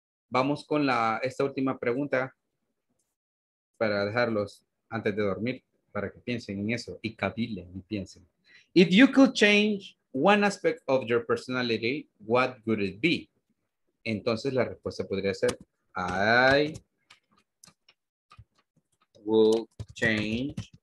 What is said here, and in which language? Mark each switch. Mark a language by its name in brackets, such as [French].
[Spanish] Vamos con esta última pregunta para dejarlos antes de dormir, para que piensen en eso y cavilen y piensen. [English] If you could change one aspect of your personality, what would it be? [Spanish] Entonces la respuesta podría ser, [English] I will change.